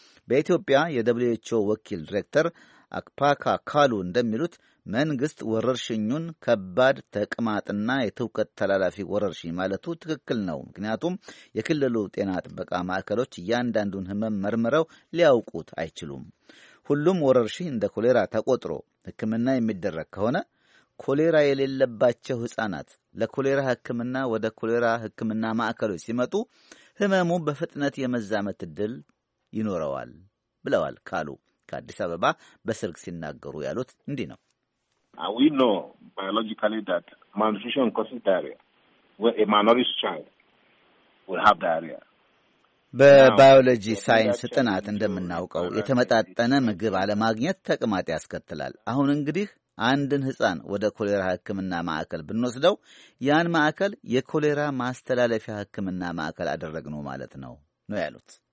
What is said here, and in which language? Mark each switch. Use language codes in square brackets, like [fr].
[am] በኢትዮጵያ የWHO ወኪል ዲሬክተር አክፓካ ካሉ እንደሚሉት መንግስት ወረርሽኙን ከባድ ተቅማጥና የትውከት ተላላፊ ወረርሽኝ ማለቱ ትክክል ነው፣ ምክንያቱም የክልሉ ጤና ጥበቃ ማዕከሎች እያንዳንዱን ህመም መርምረው ሊያውቁት አይችሉም። ሁሉም ወረርሽኝ እንደ ኮሌራ ተቆጥሮ ሕክምና የሚደረግ ከሆነ ኮሌራ የሌለባቸው ሕፃናት ለኮሌራ ሕክምና ወደ ኮሌራ ሕክምና ማዕከሎች ሲመጡ ህመሙ በፍጥነት የመዛመት ዕድል ይኖረዋል ብለዋል ካሉ ከአዲስ አበባ በስልክ ሲናገሩ ያሉት እንዲህ ነው። [en] We know biologically that malnutrition causes diarrhea, where a malnourished child will have diarrhea. [am] በባዮሎጂ ሳይንስ ጥናት እንደምናውቀው የተመጣጠነ ምግብ አለማግኘት ተቅማጥ ያስከትላል። አሁን እንግዲህ አንድን ህፃን ወደ ኮሌራ ህክምና ማዕከል ብንወስደው ያን ማዕከል የኮሌራ ማስተላለፊያ ህክምና ማዕከል አደረግነው ማለት ነው ነው ያሉት።